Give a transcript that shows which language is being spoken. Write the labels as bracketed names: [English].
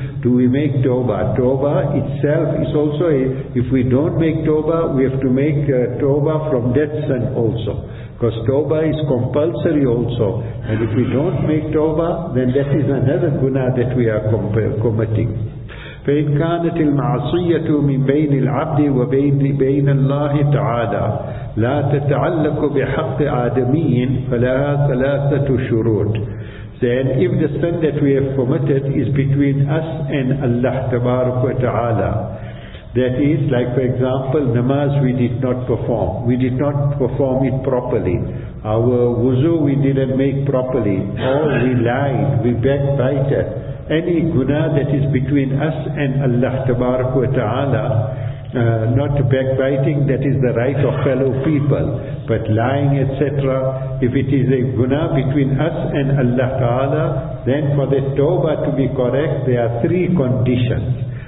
[English] Do we make tawbah? Tawbah itself is also, if we don't make tawbah, we have to make tawbah from that sin also. Because tawbah is compulsory also. And if we don't make tawbah, then that is another guna that we are committing. [Arabic] فإن كانت المعصية من بين العبد وبين الله تعالى لا تتعلق بحق آدمي فلها ثلاثة شروط. [English] Then if the sin that we have committed is between us and Allah تبارك وتعالى, that is, like for example, namaz we did not perform. We did not perform it properly. Our wuzu we didn't make properly. Or we lied, we backbited. Any guna that is between us and Allah tabarak wa ta'ala, not backbiting, that is the right of fellow people, but lying, etc., if it is a guna between us and Allah ta'ala, then for the tawbah to be correct, there are three conditions.